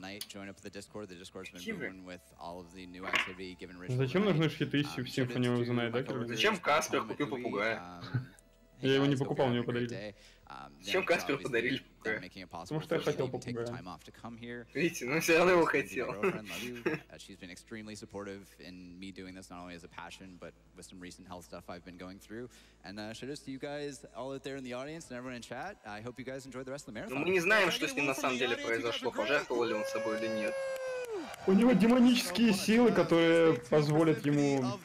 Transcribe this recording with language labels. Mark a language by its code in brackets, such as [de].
[ru] Зачем нужны щиты в Symphony of the Night, да? Зачем Каспер купил попугая? Я его не покупал, мне его подарили. Зачем Каспер подарили попугая? Потому что я хотел попугая. Видите, ну все равно его хотел. [en] She's been extremely supportive in me doing this, not only as a passion, but with some recent health stuff I've been going through. And shout out to you guys all out there in the audience and everyone in chat. I hope you guys enjoy the rest of the marathon. [ru] Мы не знаем, что с ним на самом деле произошло, пожертвовал ли он собой или нет. У него демонические силы, которые позволят ему...